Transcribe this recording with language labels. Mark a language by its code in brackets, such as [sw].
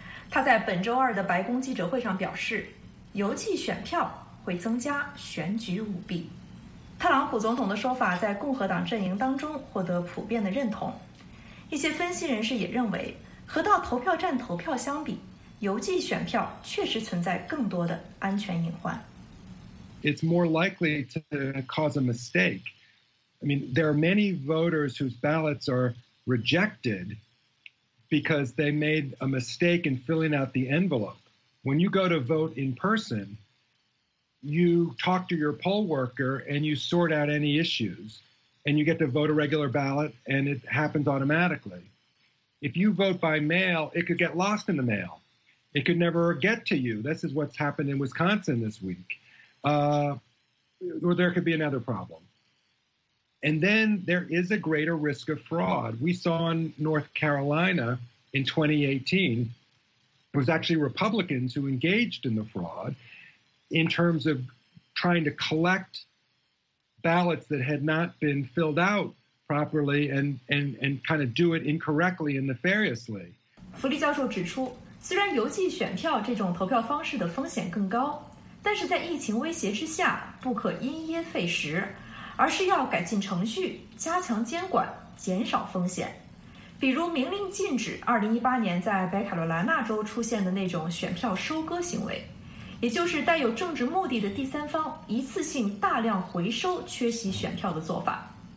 [zh] 他在本周二的白宫记者会上表示，邮寄选票会增加选举舞弊。特朗普总统的说法在共和党阵营当中获得普遍的认同。一些分析人士也认为，和到投票站投票相比，邮寄选票确实存在更多的安全隐患。 [en] It's more likely to cause a mistake. I mean, there are many voters whose ballots are rejected because they made a mistake in filling out the envelope. When you go to vote in person, you talk to your poll worker and you sort out any issues, and you get to vote a regular ballot and it happens automatically. If you vote by mail, it could get lost in the mail. It could never get to you. This is what's happened in Wisconsin this week. Or there could be another problem. And then there is a greater risk of fraud. We saw in North Carolina in 2018, it was actually Republicans who engaged in the fraud in terms of trying to collect ballots that had not been filled out properly and kind of do it incorrectly and nefariously. [zh] 弗利教授指出，虽然邮寄选票这种投票方式的风险更高，但是在疫情威胁之下，不可因噎废食，而是要改进程序，加强监管，减少风险。比如明令禁止2018年在北卡罗来纳州出现的那种选票收割行为，也就是带有政治目的的第三方一次性大量回收缺席选票的做法。